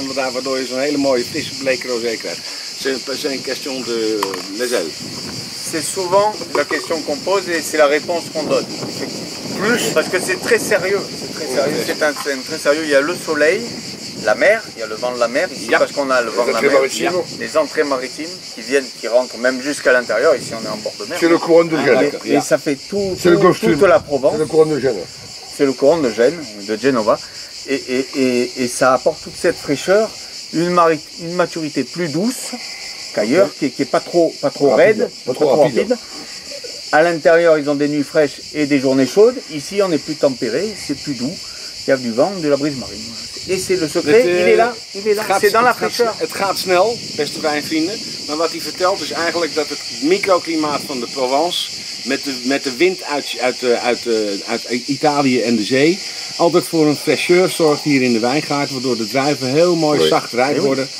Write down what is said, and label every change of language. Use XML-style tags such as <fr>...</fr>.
<nl>En waardoor je zo'n hele mooie frisse bleke rosé krijgt.</nl> <fr>C'est une question de les ailes. C'est souvent la question qu'on pose et c'est la réponse qu'on donne. Plus. Parce que c'est très sérieux. C'est très sérieux. Il y a le soleil. La mer, il y a le vent de la mer ici, yep. Parce qu'on a le vent de la mer, les entrées maritimes qui rentrent même jusqu'à l'intérieur, ici on est en bord de mer. C'est le courant de Gênes. Et ça fait toute la Provence. C'est le courant de Gênes. C'est le courant de Gênes, de Genova, et ça apporte toute cette fraîcheur, une maturité plus douce qu'ailleurs, okay. qui est pas trop raide, pas trop rapide. À l'intérieur ils ont des nuits fraîches et des journées chaudes, ici on est plus tempéré, c'est plus doux, il y a du vent, de la brise marine. Et c'est le secret,</fr> <nl>Het gaat snel, beste wijnvrienden. Maar wat hij vertelt is eigenlijk dat het microklimaat van de Provence met de wind uit Italië en de zee altijd voor een fraîcheur zorgt hier in de wijngaard, waardoor de druiven heel mooi zacht rijp worden.</nl>